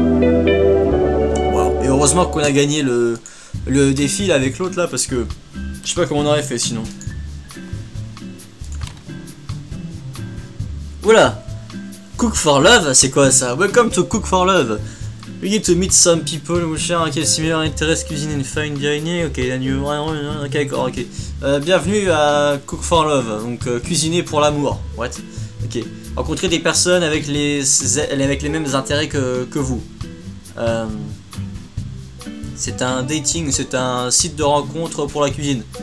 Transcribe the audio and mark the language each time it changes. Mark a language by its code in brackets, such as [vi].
[fr] Wow. Et heureusement qu'on a gagné le défi là, avec l'autre là, parce que je sais pas comment on aurait fait sinon. Oula, Cook for Love, c'est quoi ça? [en] Welcome to Cook for Love. We get to meet some people who share a similar interest, cuisine and fine dining. [fr] Ok, la new... Ok, d'accord, ok. Bienvenue à Cook for Love, donc cuisiner pour l'amour. What? Ok. Rencontrer des personnes avec les mêmes intérêts que vous. C'est un dating, c'est un site de rencontre pour la cuisine.